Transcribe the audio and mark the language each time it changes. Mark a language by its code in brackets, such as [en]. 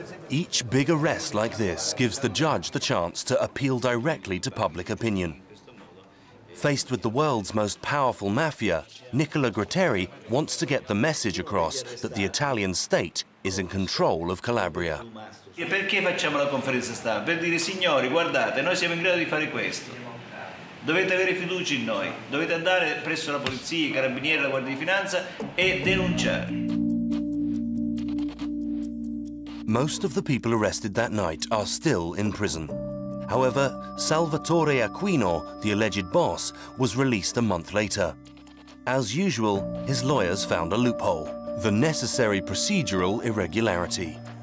[en] Each big arrest like this gives the judge the chance to appeal directly to public opinion. Faced with the world's most powerful mafia, Nicola Gratteri wants to get the message across that the Italian state is in control of Calabria. [it] E perché facciamo la conferenza stampa? Per dire, signori, guardate, noi siamo in grado di fare questo. Dovete avere fiducia in noi. Dovete andare presso la polizia, i carabinieri, la guardia di finanza e denunciare. [en] Most of the people arrested that night are still in prison. However, Salvatore Aquino, the alleged boss, was released a month later. As usual, his lawyers found a loophole, the necessary procedural irregularity.